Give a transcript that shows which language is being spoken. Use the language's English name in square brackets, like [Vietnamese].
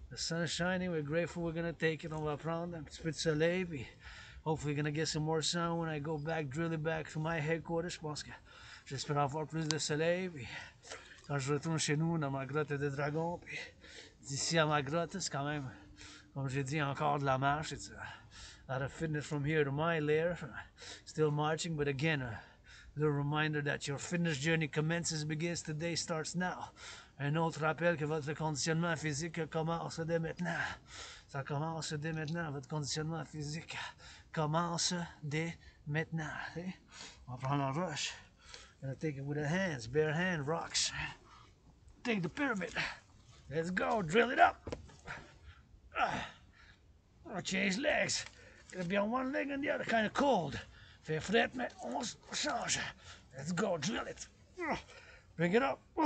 [English] The sun is shining, we're grateful we're gonna take it. [French] On va prendre un petit peu de soleil, puis [English] hopefully gonna get some more sun when I go back, drill it back to my headquarters. [French] Je pense que j'espère avoir plus de soleil, puis quand je retourne chez nous dans ma grotte de dragon, puis d'ici à ma grotte, c'est quand même, comme j'ai dit, encore de la marche. [English] It's a lot of fitness from here to my lair, still marching, but again, the reminder that your fitness journey commences, begins today, starts now. [French] Un autre rappel que votre conditionnement physique commence dès maintenant. Ça commence dès maintenant, votre conditionnement physique commence dès maintenant. [English] See? [French] On va prendre la roche. [English] Gonna take it with the hands, bare hand, rocks. Take the pyramid. Let's go, drill it up. Gonna change legs. Gonna be on one leg and the other, kind of cold. [French] Fais fret, mais on change. [English] Let's go, drill it. Bring it up.